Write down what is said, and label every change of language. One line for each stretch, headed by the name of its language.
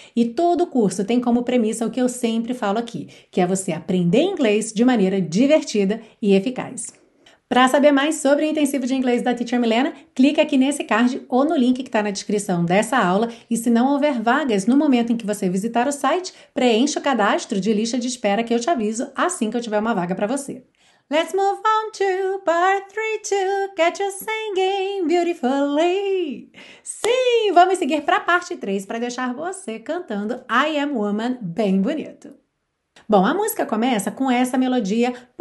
Portuguese: E todo o curso tem como premissa o que eu sempre falo aqui, que é você aprender inglês de maneira divertida e eficaz. Para saber mais sobre o intensivo de inglês da Teacher Milena, clique aqui nesse card ou no link que está na descrição dessa aula. E se não houver vagas no momento em que você visitar o site, preencha o cadastro de lista de espera que eu te aviso assim que eu tiver uma vaga para você.
English: Let's move on to part 3-2, get you singing beautifully.
Portuguese: Sim, vamos seguir para a parte 3 para deixar você cantando I Am Woman bem bonito. Bom, a música começa com essa melodia.